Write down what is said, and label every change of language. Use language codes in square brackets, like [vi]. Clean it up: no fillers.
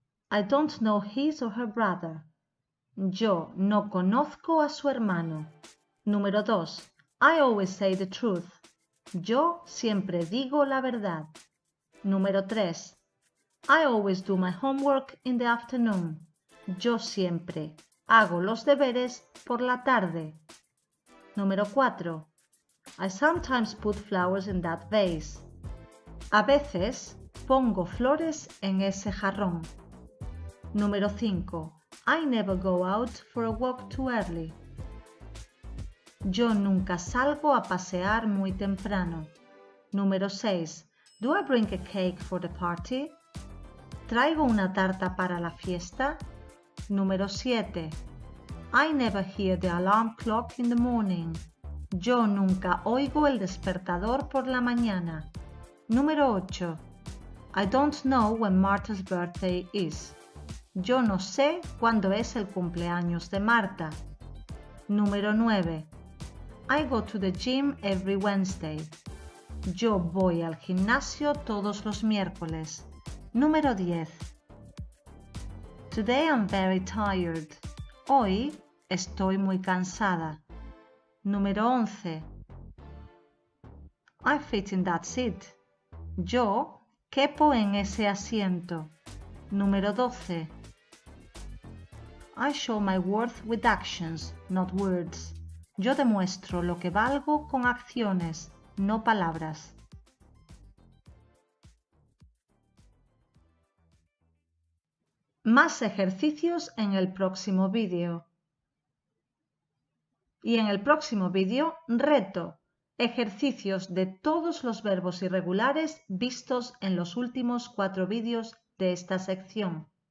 [en] I don't know his or her brother. [es] Yo no conozco a su hermano. Número 2. [en] I always say the truth. [es] Yo siempre digo la verdad. Número 3. [en] I always do my homework in the afternoon. [es] Yo siempre hago los deberes por la tarde. Número 4. [en] I sometimes put flowers in that vase. [es] A veces pongo flores en ese jarrón. Número 5. [en] I never go out for a walk too early. [es] Yo nunca salgo a pasear muy temprano. Número 6. [en] Do I bring a cake for the party? [es] ¿Traigo una tarta para la fiesta? Número 7. [en] I never hear the alarm clock in the morning. [es] Yo nunca oigo el despertador por la mañana. Número 8. [en] I don't know when Marta's birthday is. [es] Yo no sé cuándo es el cumpleaños de Marta. Número 9. [en] I go to the gym every Wednesday. [es] Yo voy al gimnasio todos los miércoles. Número 10. [en] Today I'm very tired. [es] Hoy estoy muy cansada. Número 11. [en] I fit in that seat. [es] Yo quepo en ese asiento. Número 12. [en] I show my worth with actions, not words. [es] Yo demuestro lo que valgo con acciones, no palabras. Más ejercicios en el próximo vídeo. Y en el próximo vídeo, reto. Ejercicios de todos los verbos irregulares vistos en los últimos 4 vídeos de esta sección.